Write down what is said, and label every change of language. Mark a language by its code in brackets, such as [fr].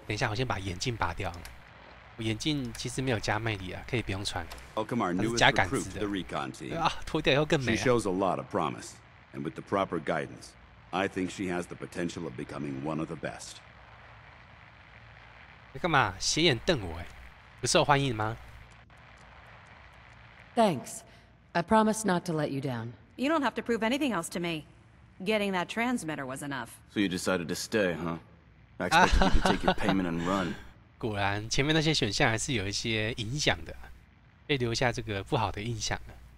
[zh] 等一下，我先把眼镜拔掉。我眼镜其实没有加魅力啊，可以不用穿。 [en] Welcome our newest recruit to the recon team. [zh] 啊，脱掉以后更美。 [en] She shows a lot of promise, and with the proper guidance, I think she has the potential of becoming one of the best. [zh] 你干嘛斜眼瞪我？哎，不受欢迎吗？ [en] Thanks. I promise not to let you down. You don't have to prove anything else to me. Getting that transmitter was enough. So you decided to stay, huh? I expected you to take your payment and run. [zh] 果然，前面那些选项还是有一些影响的，被留下这个不好的印象了。